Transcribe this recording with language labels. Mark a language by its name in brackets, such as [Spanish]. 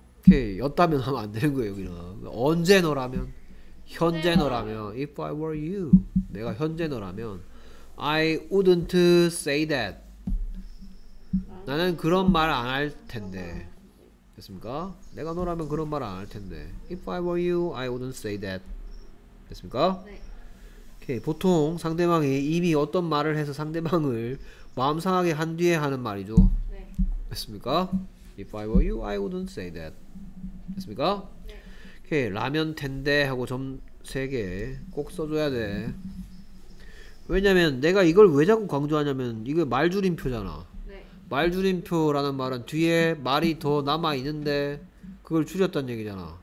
[Korean] 오케이, 였다면 하면 안 되는 거예요, 여기는. 언제 너라면? 현재 너라면. [English] if I were you. [Korean] 내가 현재 너라면. [English] I wouldn't say that. [Korean] 나는 그런 말 안 할 텐데. 됐습니까? 내가 너라면 그런 말 안 할 텐데. [English] If I were you, I wouldn't say that. [Korean] 됐습니까? 네. 오케이. 보통 상대방이 이미 어떤 말을 해서 상대방을 마음 상하게 한 뒤에 하는 말이죠. 네. 됐습니까? [English] If I were you, I wouldn't say that. [Korean] 됐습니까? 네. 오케이. 라면 텐데 하고 점 세 개 꼭 써줘야 돼. 왜냐면 내가 이걸 왜 자꾸 강조하냐면 이게 말줄임표잖아. 말줄임표라는 말은 뒤에 말이 더 남아있는데 그걸 줄였단 얘기잖아.